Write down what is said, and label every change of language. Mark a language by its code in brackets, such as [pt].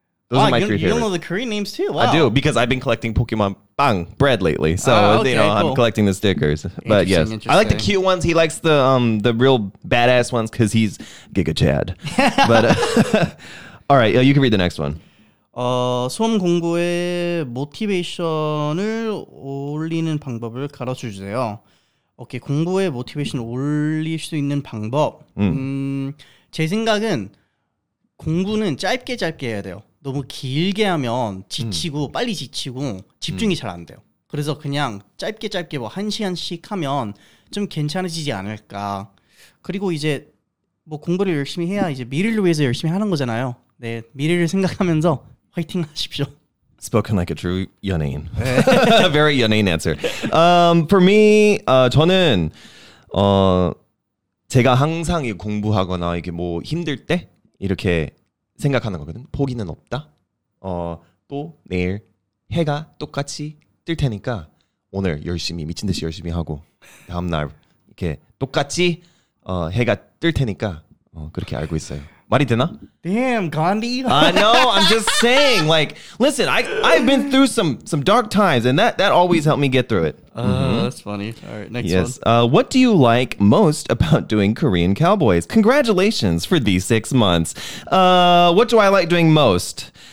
[en] Those are my three favorites. You don't know the Korean names too. Wow. I do, because I've been collecting Pokemon bread lately. So cool. I'm collecting the stickers. But yes, I like the cute ones. He likes the real badass ones because he's Giga Chad. But all right, you can read the next one. [ko] 수험 공부에 모티베이션을 올리는 방법을 가르쳐 주세요. 오케이, 공부에 모티베이션을 올릴 수 있는 방법. 제 생각은 공부는 짧게 짧게 해야 돼요. 너무 길게 하면 지치고 빨리 지치고 집중이 잘 안 돼요. 그래서 그냥 짧게 짧게 뭐 한 시간씩 하면 좀 괜찮아지지 않을까. 그리고 이제 뭐 공부를 열심히 해야 이제 미래를 위해서 열심히 하는 거잖아요. 네, 미래를 생각하면서 화이팽 하십시오. [en] Spoken like a true Yunnan. A very Yunnan answer. For me, [ko] 저는 제가 항상 공부하거나 이게 뭐 힘들 때 이렇게 생각하는 거거든. 포기는 없다. 또 내일 해가 똑같이 뜰 테니까 오늘 열심히 미친 듯이 열심히 하고 다음 날 이렇게 똑같이 해가 뜰 테니까 그렇게 알고 있어요. 말이 되나? [en] Damn, Gandhi. I know. I'm just saying. Like, listen, I've been through some dark times, and that always helped me get through it. That's funny. All right, next one. What do you like most about doing Korean Cowboys? Congratulations for these 6 months. What do I like doing most?